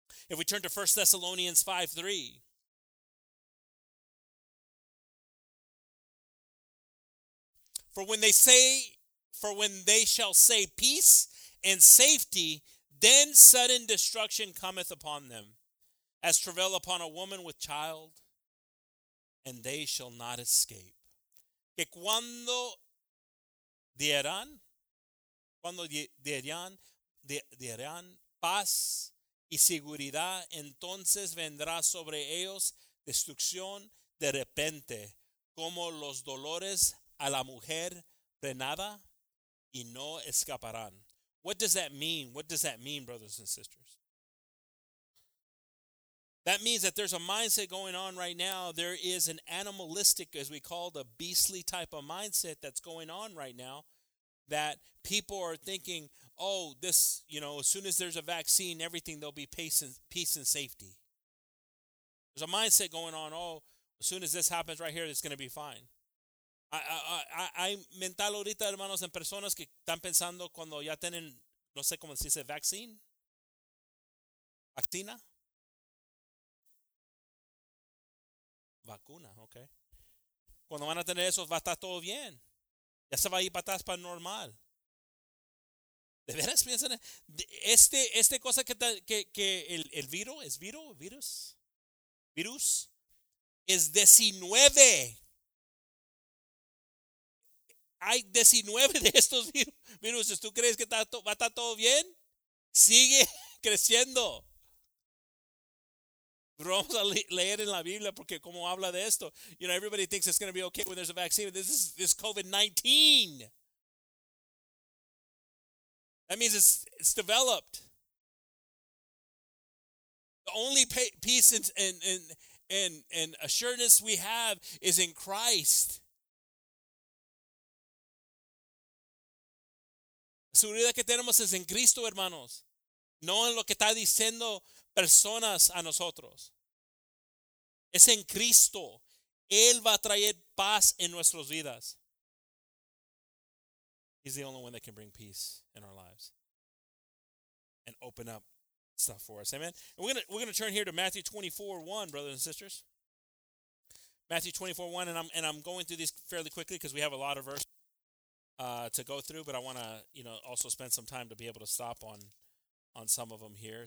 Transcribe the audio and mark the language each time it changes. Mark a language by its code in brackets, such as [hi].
[en] If we turn to 1 Thessalonians 5:3, For when they shall say peace and safety, then sudden destruction cometh upon them, as travail upon a woman with child, and they shall not escape. [es] Que cuando dieran, dieran paz y seguridad, entonces vendrá sobre ellos destrucción de repente, como los dolores a la mujer prenada, y no escaparán. [en] What does that mean? What does that mean, brothers and sisters? That means that there's a mindset going on right now. There is an animalistic, as we call it, a beastly type of mindset that's going on right now, that people are thinking, oh, this, you know, as soon as there's a vaccine, everything, there'll be peace and safety. There's a mindset going on, oh, as soon as this happens right here, it's going to be fine. [es] Hay mental ahorita, hermanos, en personas que están pensando cuando ya tienen, no sé cómo se dice, vacuna, ok. Cuando van a tener eso, va a estar todo bien. Ya se va a ir para atrás para normal. ¿De veras piensan? Este cosa que el virus, ¿es virus? ¿Virus? ¿Virus? Es 19. Hay 19 de estos virus. ¿Tú crees que va a estar todo bien? Sigue creciendo. Vamos a leer en la Biblia porque como habla de esto. [en] You know, everybody thinks it's going to be okay when there's a vaccine. This is COVID-19. That means it's developed. The only peace and assuredness we have is in Christ. [es] La seguridad que tenemos es en Cristo, hermanos. No en lo que está diciendo personas a nosotros. Es en Cristo. Él va a traer paz en nuestras vidas. [en] He's the only one that can bring peace in our lives and open up stuff for us. Amen. And we're gonna turn here to Matthew 24:1, brothers and sisters. Matthew 24:1, and I'm going through these fairly quickly because we have a lot of verses to go through, but I want to, you know, also spend some time to be able to stop on some of them here.